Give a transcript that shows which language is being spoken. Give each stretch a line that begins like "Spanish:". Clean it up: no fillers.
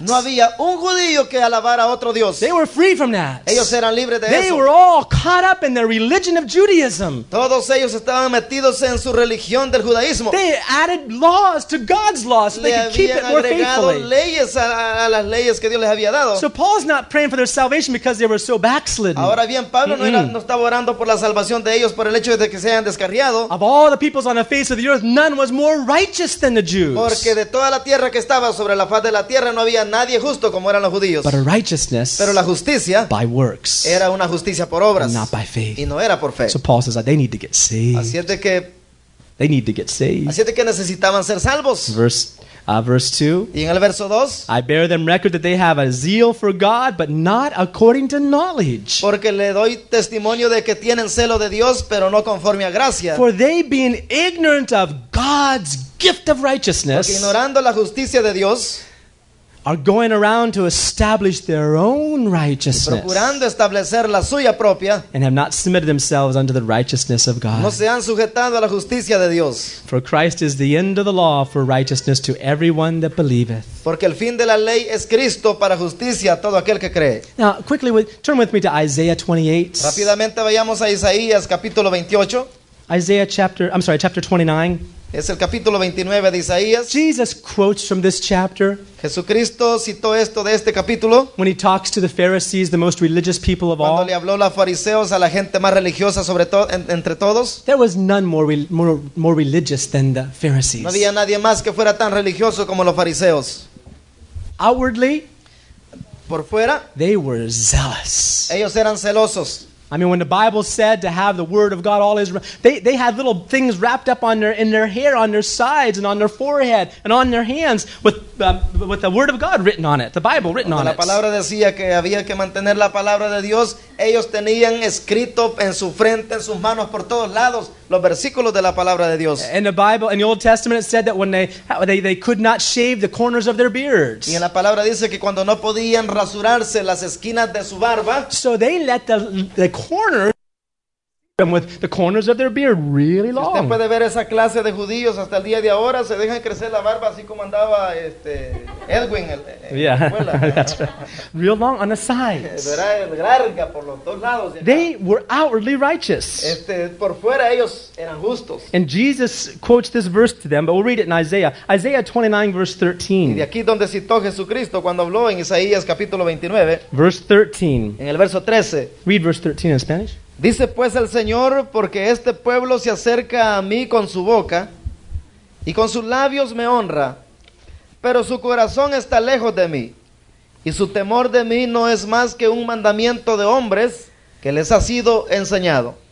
Spanish: No había un judío que alabara a otro Dios.
English: They were free from that.
Spanish: Ellos eran libres de
English: they
Spanish: eso.
English: Were all caught up in their religion of Judaism.
Spanish: Todos ellos estaban metidos en su religión del judaísmo.
English: They added laws to God's laws so they could keep it more faithfully.
Spanish: Leyes a las leyes que Dios les había dado.
English: So Paul's not praying for their salvation because they were so backslidden.
Spanish: Ahora bien, Pablo no estaba orando por la salvación de ellos por el hecho de que se hayan descarriado.
English: Of all the peoples on the face of the earth, none was more righteous than the Jews.
Spanish: Porque de toda la tierra que estaba sobre la faz de la tierra no había nadie justo como eran los judíos.
English: But a righteousness,
Spanish: pero la justicia,
English: by works,
Spanish: era una justicia por obras,
English: not by faith,
Spanish: y no era por fe.
English: So Paul says that they need to get saved.
Spanish: Así es de que
English: they need to get saved.
Spanish: Así es de que necesitaban ser salvos.
English: Verse 2.
Spanish: Y en el verso 2,
English: I bear them record that they have a zeal for God, but not according to knowledge.
Spanish: Porque le doy testimonio de que tienen celo de Dios, pero no conforme a gracia.
English: For they being ignorant of God's gift of righteousness,
Spanish: porque ignorando la justicia de Dios,
English: are going around to establish their own righteousness,
Spanish: procurando establecer la suya propia,
English: and have not submitted themselves unto the righteousness of God.
Spanish: No se han sujetado a la justicia de Dios.
English: For Christ is the end of the law for righteousness to everyone that believeth.
Spanish: Porque el fin de la ley es Cristo para justicia a todo aquel que cree.
English: Now, quickly, turn with me to Isaiah 28.
Spanish: Rápidamente vayamos a Isaías capítulo 28.
English: Chapter 29.
Spanish: Es el capítulo 29 de Isaías.
English: Jesus quotes from this chapter.
Spanish: Jesucristo citó esto de este capítulo.
English: When he talks to the Pharisees, the most religious people of
Spanish: cuando
English: all.
Spanish: Cuando le habló a los fariseos, a la gente más religiosa sobre todo entre todos.
English: There was none more religious than the Pharisees.
Spanish: No había nadie más que fuera tan religioso como los fariseos.
English: Outwardly,
Spanish: por fuera,
English: they were zealous.
Spanish: Ellos eran celosos.
English: I mean, when the Bible said to have the word of God all is, they had little things wrapped up on in their hair, on their sides, and on their forehead, and on their hands with the word of God written on it, the Bible written on it.
Spanish: La palabra decía que había que mantener la palabra de Dios. Ellos tenían escrito en su frente, en sus manos, por todos lados, los versículos de la palabra de Dios.
English: In the Bible, in the Old Testament, it said that when they could not shave the corners of their beards.
Spanish: Y en la palabra dice que cuando no podían rasurarse las esquinas de su barba.
English: So they let the corners them with the corners of their beard really long.
Spanish: Usted puede ver esa clase de judíos hasta el día de ahora se dejan crecer la barba así como andaba Edwin en
English: yeah, that's right. Real long on the sides.
Spanish: Larga por los dos lados.
English: They were outwardly righteous.
Spanish: Por fuera ellos eran justos.
English: And Jesus quotes this verse to them, but we'll read it in Isaiah. Isaiah 29 verse 13.
Spanish: Y de aquí donde citó Jesucristo cuando habló en Isaías capítulo 29.
English: Verse 13.
Spanish: En el verso 13.
English: Read verse 13 in Spanish.
Spanish: Dice pues el Señor, porque este pueblo se acerca a mí con su boca y con sus labios me honra, pero su corazón está lejos de mí y su temor de mí no es más que un mandamiento de hombres que les ha sido enseñado.